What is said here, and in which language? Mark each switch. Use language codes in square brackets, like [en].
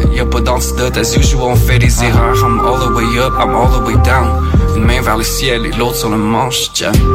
[fr] Y'a pas d'antidote, [en] as usual, [fr] on fait des erreurs. [en] I'm all the way up, I'm all the way down. [fr] Une main vers le ciel et l'autre sur le manche, tiens.